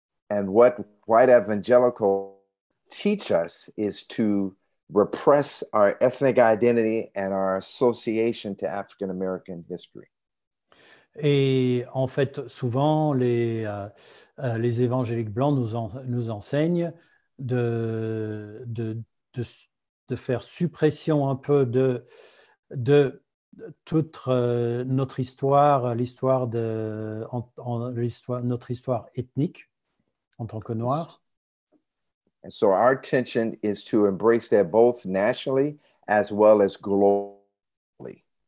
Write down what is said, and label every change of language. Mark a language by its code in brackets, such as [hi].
[en] And what white evangelicals teach us is to repress our ethnic identity and our association to African American history. [fr] Et en fait, souvent, les évangéliques blancs nous enseignent de faire suppression un peu de toute notre histoire, l'histoire de en, l'histoire, notre histoire ethnique en tant que noir. [en] And so our intention is to embrace that both nationally as well as globally.